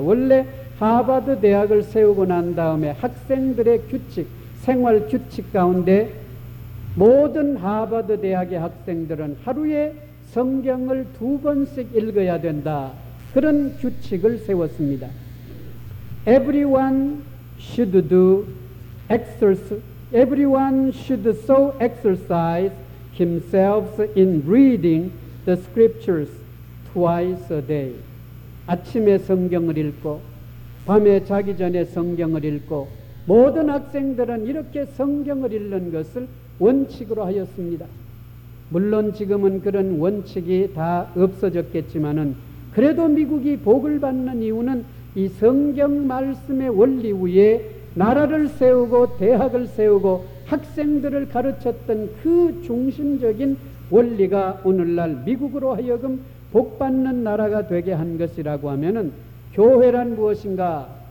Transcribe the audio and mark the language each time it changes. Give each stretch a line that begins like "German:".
Korean: 원래 하버드 대학을 세우고 난 다음에 학생들의 규칙, 생활 규칙 가운데 모든 하버드 대학의 학생들은 하루에 성경을 두 번씩 읽어야 된다. 그런 규칙을 세웠습니다.
English: Everyone should do exercise. Everyone should so exercise himself in reading the scriptures twice a day.
Korean: 아침에 성경을 읽고 밤에 자기 전에 성경을 읽고 모든 학생들은 이렇게 성경을 읽는 것을 원칙으로 하였습니다. 물론 지금은 그런 원칙이 다 없어졌겠지만은 그래도 미국이 복을 받는 이유는 이 성경 말씀의 원리 위에 나라를 세우고 대학을 세우고 학생들을 가르쳤던 그 중심적인 원리가 오늘날 미국으로 하여금 복받는 나라가 되게 한 것이라고 하면은 교회란 무엇인가?